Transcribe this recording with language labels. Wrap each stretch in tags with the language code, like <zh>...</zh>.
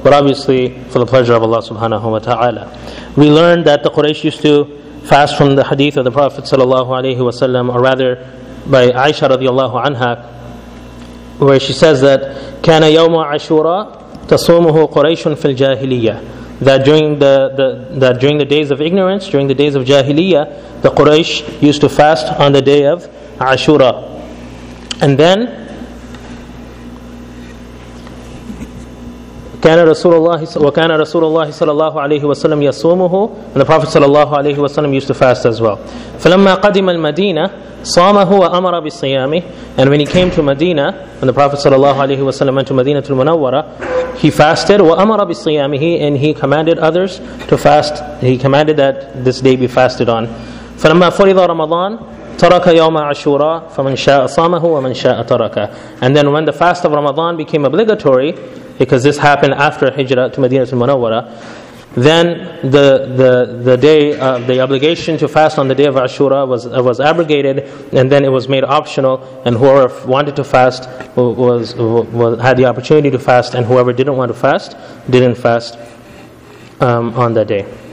<en>but obviously for the pleasure of Allah subhanahu wa ta'ala. We learned that the Quraysh used to fast from the hadith of the Prophet sallallahu alayhi wa sallam, or rather by Aisha radiallahu anha, where she says that</en> <ar>كَانَ يَوْمُ عَشُورَ تَصُومُهُ قُرَيْشٌ فِي الْجَاهِلِيَّةِ</ar> <en>that during the days of ignorance, during the days of Jahiliyyah, the Quraysh used to fast on the day of Ashura. And then</en> <ar>وَكَانَ رَسُولُ اللَّهِ صَلَى اللَّهُ عَلَيْهِ وَسَلَّمْ يَصُومُهُ,</ar> <en>and the Prophet</en> <ar>صلى الله عليه وسلم</ar> <en>used to fast as well.</en> <ar>فَلَمَّا قَدِمَ الْمَدِينَةِ صَامَهُ وَأَمَرَ بِالصِّيَامِهِ,</ar> <en>and when he came to Medina, when the Prophet صلى الله عليه وسلم went to Medina to Munawwara, he fasted,</en> <ar>وَأَمَرَ بِالصِّيَامِهِ,</ar> <en>and he commanded others to fast, he commanded that this day be fasted on.</en> <ar>فَلَمَّا فُرِضَ رَمَضَانَ تَرَكَ يَوْمَ عَشُورَ فَمَنْ شَاءَ صَامَهُ وَمَنْ شَاءَ تَرَكَ,</ar> <en>and then when the fast of Ramadan became obligatory, because this happened after Hijrah to Medina to Munawwara, then the day the obligation to fast on the day of Ashura was abrogated, and then it was made optional, and whoever wanted to fast was had the opportunity to fast, and whoever didn't want to fast didn't fast on that day.</en>